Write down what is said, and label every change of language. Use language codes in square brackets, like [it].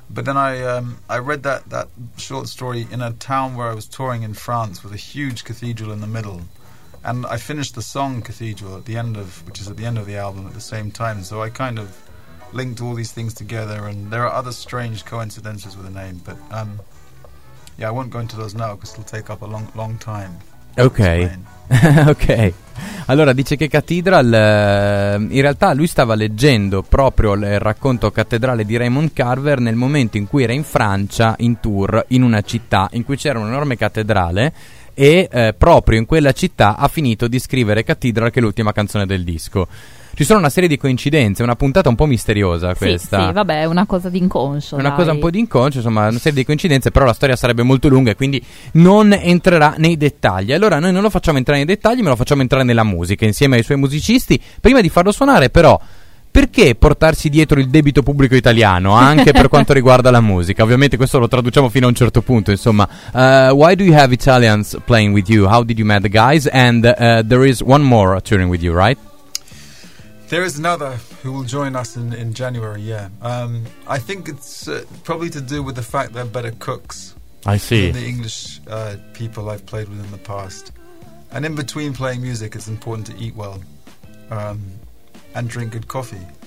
[en] But then I read that short story in a town where I was touring in France with a huge cathedral in the middle, and I finished the song Cathedral at the end of the album at the same time. So I kind of linked all these things together, and there are other strange coincidences with the name, but I won't go into those now because it'll take up a long time. Okay. Okay. [it] Allora dice che Cathedral, in realtà lui stava leggendo proprio il racconto cattedrale di Raymond Carver nel momento in cui era in Francia in tour in una città in cui c'era un'enorme cattedrale, e proprio in quella città ha finito di scrivere Cathedral, che è l'ultima canzone del disco. Ci sono una serie di coincidenze, una puntata un po' misteriosa questa. Sì, vabbè, è una cosa d'inconscio. È una cosa un po' d'inconscio, insomma, una serie di coincidenze, però la storia sarebbe molto lunga e quindi non entrerà nei dettagli. Allora, noi non lo facciamo entrare nei dettagli, ma lo facciamo entrare nella musica, insieme ai suoi musicisti. Prima di farlo suonare, però, perché portarsi dietro il debito pubblico italiano, anche per quanto riguarda la musica? Ovviamente questo lo traduciamo fino a un certo punto, insomma. [en] Why do you have Italians playing with you? How did you meet the guys? And there is one more touring with you, right? There is another who will join us in January, yeah. I think it's probably to do with the fact they're better cooks. I see. Than the English people I've played with in the past. And in between playing music, it's important to eat well and drink good coffee.